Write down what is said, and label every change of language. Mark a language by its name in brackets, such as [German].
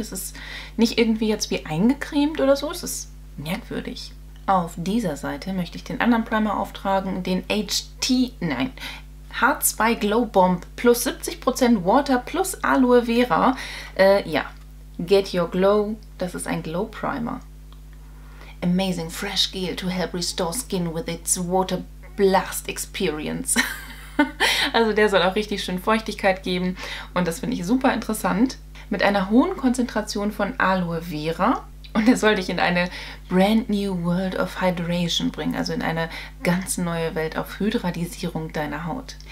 [German] Es ist nicht irgendwie jetzt wie eingecremt oder so. Es ist merkwürdig. Auf dieser Seite möchte ich den anderen Primer auftragen, den HT... nein... [English] H2 Glow Bomb plus 70% Water plus Aloe Vera. [German] Ja, Get Your Glow, das ist ein Glow Primer. [English] Amazing Fresh Gel to help restore skin with its water blast experience. [German] Also der soll auch richtig schön Feuchtigkeit geben und das finde ich super interessant. Mit einer hohen Konzentration von Aloe Vera. Und er soll dich in eine [English] brand new world of hydration [German] bringen, also in eine ganz neue Welt auf Hydratisierung deiner Haut.